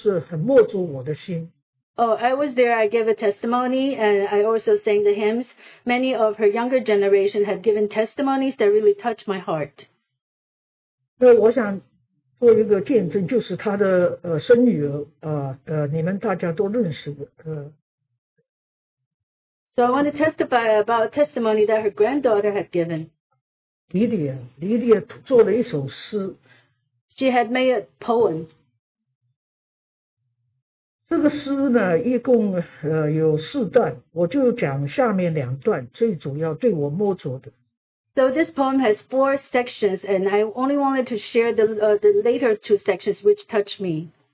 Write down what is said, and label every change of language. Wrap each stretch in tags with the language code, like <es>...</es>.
<en>I was there, I gave a testimony, and I also sang the hymns. Many of her younger generation have given testimonies that really touched my heart.</en> <zh>那我想做一个见证，就是她的生女儿，你们大家都认识的。So</zh> <en>I want to testify about testimony that her granddaughter had given.</en> <zh>Lydia做了一首诗。</zh> <en>She had made a poem.</en> <zh>这个诗呢，一共有四段，我就讲下面两段，最主要对我摸着的。So</zh> <en>this poem has four sections, and I only wanted to share the later two sections which touched me.</en>